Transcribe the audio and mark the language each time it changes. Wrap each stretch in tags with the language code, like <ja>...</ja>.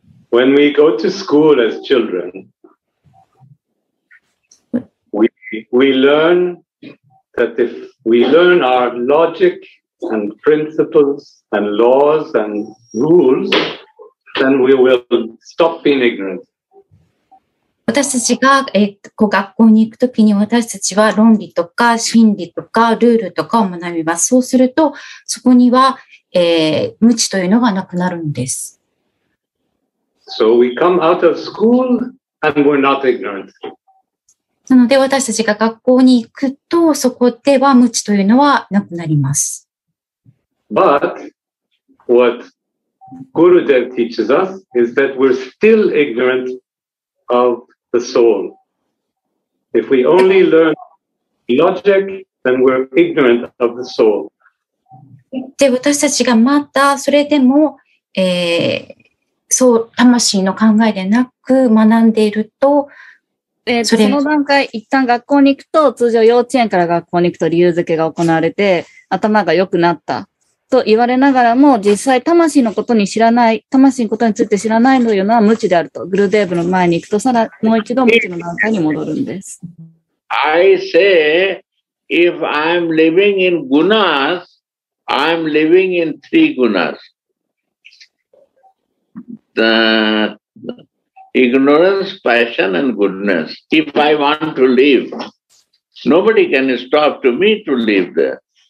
<en>When we go to school as children, we learn that if we learn our logic and principles and laws and rules, then we will stop being ignorant.</en> <ja>私たちが、学校に行くときに私たちは論理とか心理とかルールとかを学びます。そうすると、そこには、無知というのがなくなるんです。</ja> <en>So we come out of school and we're not ignorant.</en> <ja>なので私たちが学校に行くと、そこでは無知というのはなくなります。</ja> <en>But what Gurudev teaches us is that we're still ignorant of the soul. If we only learn logic, then we're ignorant of the soul.</en> <ja>で、私たちがまたそれでも、そう、魂の考えでなく学んでいると、その段階、一旦学校に行くと、通常幼稚園から学校に行くと理由付けが行われて、頭が良くなった。と言われながらも、実際魂のことに知らない、魂のことについて知らないというのは無知であると。グルデーブの前に行くと、さらにもう一度無知の段階に戻るんです。</ja> <en>I say, if I'm living in gunas, I'm living in three gunas. The ignorance, passion and goodness. If I want to live, nobody can stop to me to live there.</en>